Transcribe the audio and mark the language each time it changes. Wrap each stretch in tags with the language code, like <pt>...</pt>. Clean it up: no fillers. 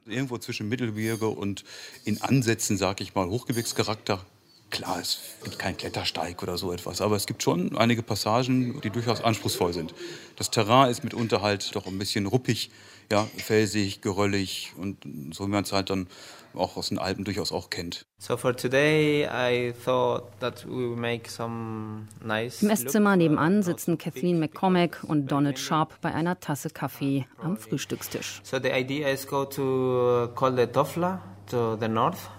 <de>Irgendwo zwischen Mittelgebirge und in Ansätzen, sag ich mal, Hochgebirgscharakter. Klar, es gibt keinen Klettersteig oder so etwas, aber es gibt schon einige Passagen, die durchaus anspruchsvoll sind. Das Terrain ist mitunter halt doch ein bisschen ruppig, ja, felsig, geröllig und so, wie man es halt dann auch aus den Alpen durchaus auch kennt.</de> <en>So for today I thought that we would make some nice.</en> <de>Im Esszimmer nebenan sitzen Kathleen McCormack und Donald Sharp bei einer Tasse Kaffee am Frühstückstisch.</de> <en>So the idea is go to Col de Tofla to the north.</en>